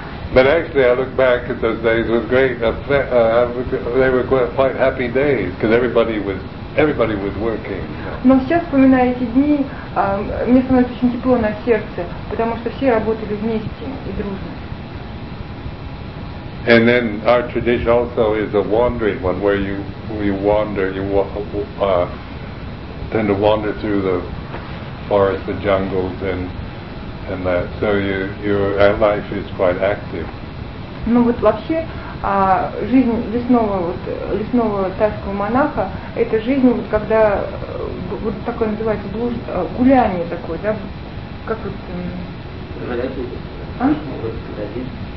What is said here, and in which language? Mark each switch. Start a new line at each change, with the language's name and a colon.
English: But actually, I look back at those days with great. They were quite happy days because everybody was working.
Russian: Но сейчас вспоминаю эти дни, мне становится очень тепло на сердце, потому что все работали вместе и дружно.
English: And then our tradition also is a wandering one, where you wander, tend to wander through the forests, the jungles, and that. So your life is quite active.
Russian: Ну вот вообще. А жизнь лесного тайского монаха – это жизнь, вот когда вот такое называется гуляние такое, да? Как вот? Бродить.